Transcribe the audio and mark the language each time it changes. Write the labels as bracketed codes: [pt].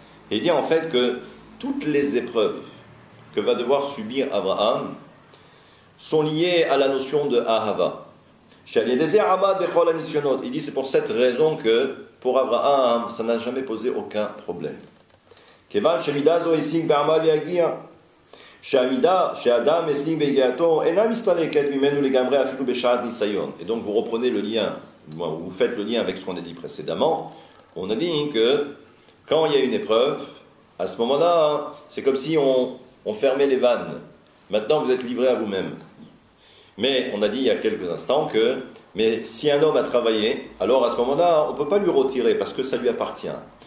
[fr] Et il dit en fait que toutes les épreuves que va devoir subir Abraham sont liées à la notion de Ahava. Il dit c'est pour cette raison que pour Abraham, ça n'a jamais posé aucun problème. [he] כיוון שהמידה זו השיג בעמל יגיע, שהמידה שאדם השיג בהגיעתו אינה מסתלקת ממנו לגמרי אפילו בשעת ניסיון. [fr] Et donc vous reprenez le lien, vous faites le lien avec ce qu'on a dit précédemment. On a dit que quand il y a une épreuve, à ce moment-là, c'est comme si on fermait les vannes. Maintenant, vous êtes livré à vous-même. Mais on a dit il y a quelques instants que mais si un homme a travaillé, alors à ce moment-là, on ne peut pas lui retirer parce que ça lui appartient.